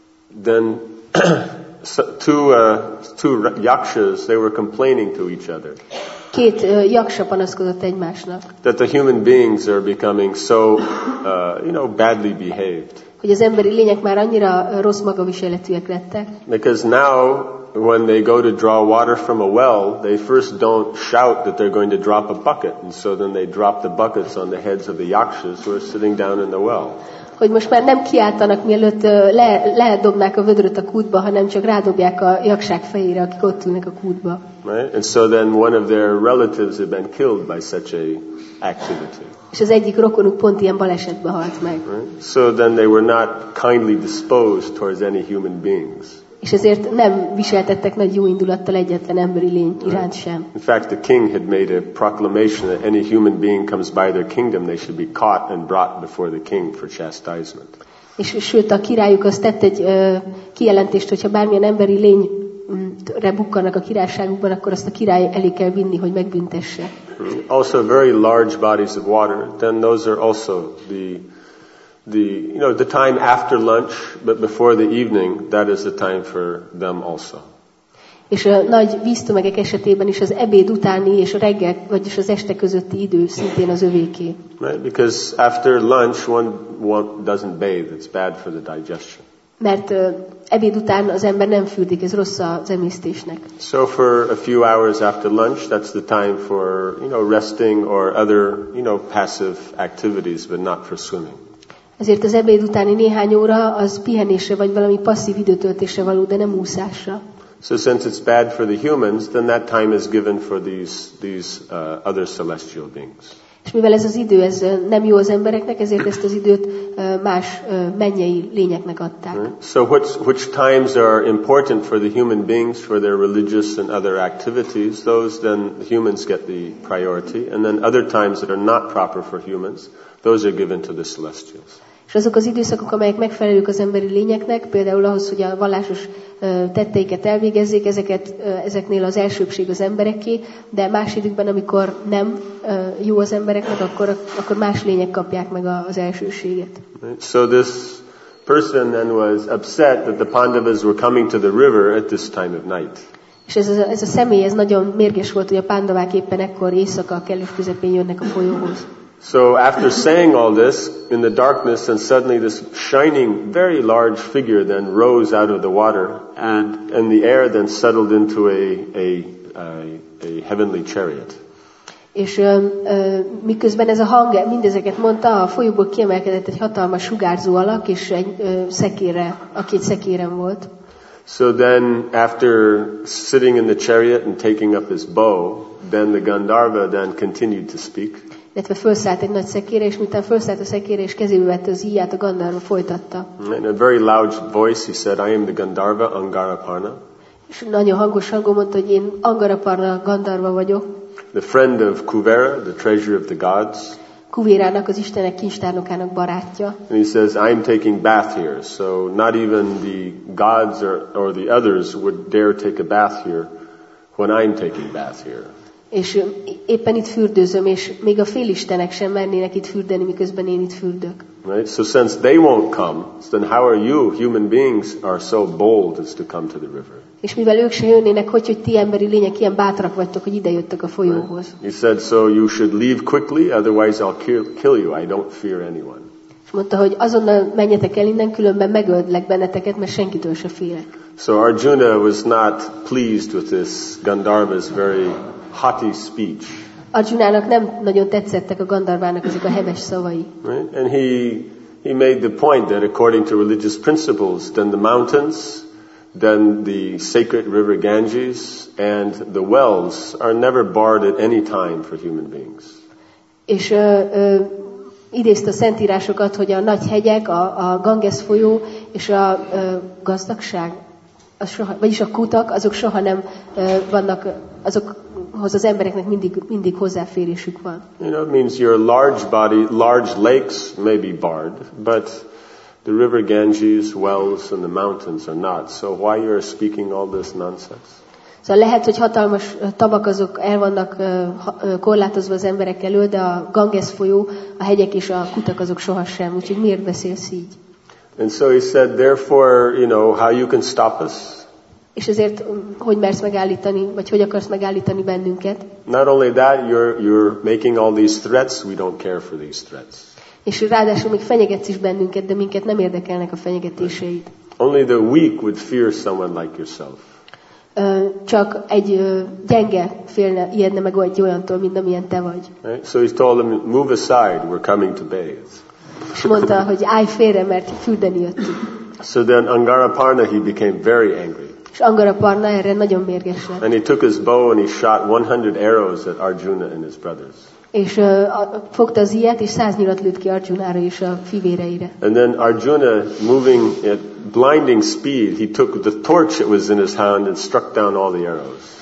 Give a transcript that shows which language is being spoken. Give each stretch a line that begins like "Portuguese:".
English: Then two yakshas, they were complaining to each other.
Hungarian: Két yaksa panaszkodott egymásnak.
English: That the human beings are becoming so, you know, badly behaved.
Hungarian: Hogy az emberi lények már annyira rossz magaviseletűek lettek.
English: Because now when they go to draw water from a well, they first don't shout that they're going to drop a bucket, and so then they drop the buckets on the heads of the yakshas who are sitting down in the well.
Hungarian: Hogy most már nem kiáltanak, mielőtt ledobnák a vödröt a kútba, hanem csak rádobják a yakshák fejére, akik ott ülnek a kútba.
English: Right? And so then one of their relatives had been killed by such a activity.
Hungarian: És az egyik rokonuk pont ilyen balesetben halt meg.
English: Right? So then they were not kindly disposed towards any human beings.
Hungarian: És ezért nem viseltettek nagy jó indulattal egyetlen emberi lény iránt sem.
English: In fact, the king had made a proclamation that any human being comes by their kingdom, they should be caught and brought before the king for chastisement.
Hungarian: És sőt, a királyuk azt tett egy kijelentést, hogyha bármilyen emberi lényre bukkanak a királyságukban, akkor azt a király elé kell vinni, hogy megbüntesse.
English: Also very large bodies of water, then those are also the time after lunch, but before the evening, that is the time for them also.
Hungarian: És a nagy víztömegek esetében is az ebéd utáni és a reggel, vagyis az este közötti idő szintén az övéké.
English: Right, because after lunch one doesn't bathe, it's bad for the digestion.
Hungarian: Mert ebéd után az ember nem fürdik, ez rossz az emésztésnek.
English: So for a few hours after lunch, that's the time for, you know, resting or other, you know, passive activities, but not for swimming.
Hungarian: Ezért az ebéd utáni néhány óra az pihenésre vagy valami passzív időtöltésre való, de nem úszásra.
English: So since it's bad for the humans, then that time is given for these other celestial beings.
Hungarian: És mivel ez az idő ez nem jó az embereknek, ezért ezt az időt más mennyei lényeknek adták.
English: So which times are important for the human beings for their religious and other activities, those then humans get the priority, and then other times that are not proper for humans, those are given to the celestials.
Hungarian: És azok az időszakok, amelyek megfelelők az emberi lényeknek, például ahhoz, hogy a vallásos tetteiket elvégezzék, ezeknél az elsőbség az embereké, de más időkben, amikor nem jó az embereknek, akkor más lények kapják meg az elsőséget.
English: So this person then was upset that the Pandavas were coming to the river at this time of night.
Hungarian: És ez a személy, ez nagyon mérges volt, hogy a Pandavák éppen ekkor éjszaka a kellős közepén jönnek a folyóhoz.
English: So after saying all this in the darkness, and suddenly this shining, very large figure then rose out of the water, and the air then settled into a heavenly chariot.
Hungarian: És miközben ez a hang mindezeket mondta, a folyóból kiemelkedett egy hatalmas sugárzó alak, és egy szekérre, aki egy szekéren volt.
English: So then, after sitting in the chariot and taking up his bow, then the Gandharva then continued to speak.
Hungarian: Illetve felszállt egy nagy szekére, és miután felszállt a szekére, és kezébe vette az íját, a Gandharva folytatta.
English: In a very loud voice he said, I am the Gandharva, Angaraparna.
Hungarian: És nagyon hangos hangon mondta, hogy én Angaraparna, Gandharva vagyok.
English: The friend of Kuvera, the treasure of the gods.
Hungarian: Kuvérának, az istenek kincstárnokának barátja.
English: And he says, I am taking bath here, so not even the gods or the others would dare take a bath here when I am taking bath here.
Hungarian: És éppen itt fürdőzöm, és még a félistenek sem mernének itt fürdeni, miközben én itt fürdök.
English: Right? So since they won't come, then how are you, human beings, are so bold as to come to the river?
Hungarian: És mivel ők sem jönnének, hogy ti emberi lények ilyen bátrak vagytok, hogy idejöttek a folyóhoz?
English: Right? He said, so you should leave quickly, otherwise I'll kill you, I don't fear anyone.
Hungarian: És mondta, hogy azonnal menjetek el innen, különben megöldlek benneteket, mert senkitől se félek.
English: So Arjuna was not pleased with this Gandharva's very haughty speech.
Hungarian: Arjunának nem nagyon tetszettek a Gandharvának ezek a heves szavai.
English: Right? And he made the point that according to religious principles, then the mountains, then the sacred river Ganges, and the wells are never barred at any time for human beings.
Hungarian: És idézte a szentírásokat, hogy a nagy hegyek, a Ganges folyó és a gazdagság, az soha, vagyis a kutak, azok soha nem vannak, azokhoz az embereknek mindig hozzáférésük van.
English: You know, it means your large body, large lakes may be barred, but the river Ganges, wells and the mountains are not. So why you are speaking all this nonsense?
Hungarian: Szóval lehet, hogy hatalmas tavak azok el vannak korlátozva az emberek elől, de a Ganges folyó, a hegyek és a kutak azok sohasem. Úgyhogy miért beszélsz így?
English: And so he said, therefore, you know, how you can stop us?
Hungarian: És ezért, hogy mersz megállítani, vagy hogy akarsz megállítani bennünket?
English: Not only that, you're making all these threats, we don't care for these threats.
Hungarian: És ráadásul még fenyegetsz is bennünket, de minket nem érdekelnek a fenyegetéseid.
English: Only the weak would fear someone like yourself.
Hungarian: Csak egy gyenge félne, ijedne meg egy olyantól, mint amilyen te vagy.
English: Right? So he told them, move aside, we're coming to bathe.
Hungarian: És mondta, hogy állj félre, mert fürdeni jöttünk.
English: So then Angaraparna, he became very angry.
Hungarian: És Angaraparna erre nagyon mérges lett.
English: And he took his bow and he shot 100 arrows at Arjuna and his brothers.
Hungarian: És fogta az ilyet, és 100 nyilat lőtt ki Arjunára és a fivéreire.
English: And then Arjuna, moving at blinding speed, he took the torch that was in his hand and struck down all the arrows.